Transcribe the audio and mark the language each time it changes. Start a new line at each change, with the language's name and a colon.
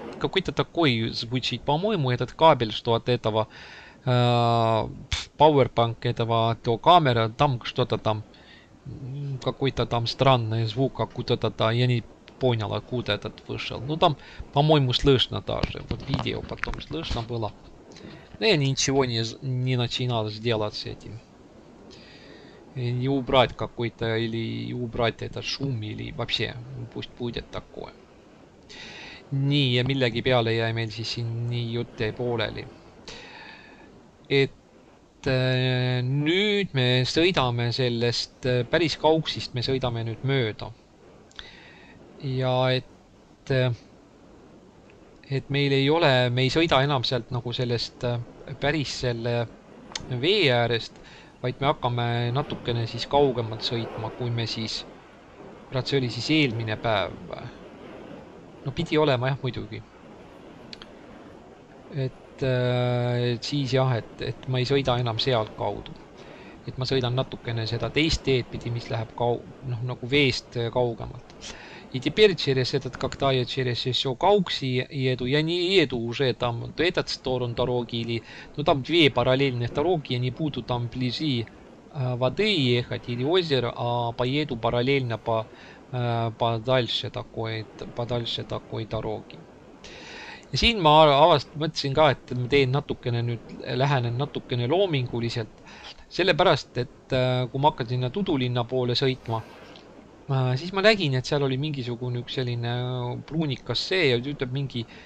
Russian: Какой-то такой звучит. По-моему, этот кабель, что от этого Powerbank, этого то камера, там что-то там, какой-то там странный звук, какой-то там, я не понял, откуда этот вышел. Ну, там, по-моему, слышно даже. Вот видео потом слышно было. Но я ничего не начинал сделать с этим. И не убрать какой-то, или убрать этот шум, или вообще, пусть будет такое.
Estonian: Nii, ja millegi peale jäi meil siis siin nii jutt jäi pooleli. Et nüüd me sõidame sellest päris kauksist, me sõidame nüüd mööda. Ja et meil ei ole, me ei sõida enam sealt nagu sellest päris selle vee äärest, vaid me hakkame natukene siis kaugemalt sõitma, kui me siis, see oli siis eelmine päev. No pidi olema, jah, muidugi. Et siis jah, et ma ei sõida enam sealt kaudu. Et ma sõidan natukene seda teist teed pidi, mis läheb noh, nagu veest kaugemalt.
Russian: И теперь через этот, когда я через все Каукси еду, я не еду уже там, то этот сторон дороги или, ну там две параллельные дороги, я не буду там вблизи воды ехать или озера, а поеду параллельно подальше такой дороги.
Estonian: И siin ma mõtlesin ka, et ma teen natukene nüüd, lähenen natukene loominguliselt. Sellepärast, et kui ma hakkasin sinna Tudulinna poole sõitma, siis ma nägin, et seal oli mingisugune üks selline pruunikas see ja ütleb mingi